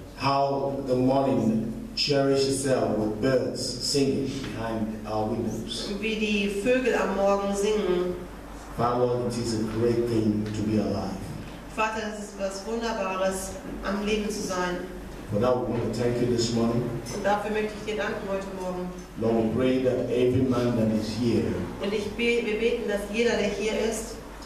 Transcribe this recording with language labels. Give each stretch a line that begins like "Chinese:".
English: How the morning cherish itself with birds singing behind our windows.
German: Wie die Vögel am Morgen singen.
English: Father, it is a great thing to be alive.
German: Vater, es ist was Wunderbares, am Leben zu sein.
English: For that, we want to thank you this morning.
German: Und dafür möchte ich dir danken heute Morgen.
English: Lord, we pray that every man that is here.
German: Und wir beten, dass jeder, der hier ist,